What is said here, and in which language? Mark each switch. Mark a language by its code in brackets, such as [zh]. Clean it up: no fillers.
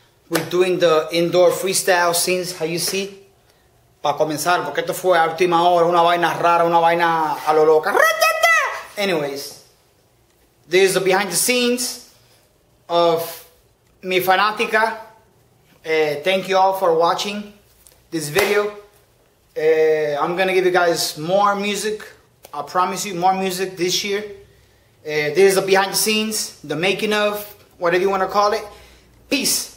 [en] We're doing the indoor freestyle scenes, how you see? [es] Para comenzar, porque esto fue a última hora, una vaina rara, una vaina a lo loca. [en] Anyways, this is the behind the scenes of mi Fanatica. Thank you all for watching this video. I'm gonna give you guys more music. I promise you more music this year. This is the behind the scenes, the making of, whatever you want to call it. Peace.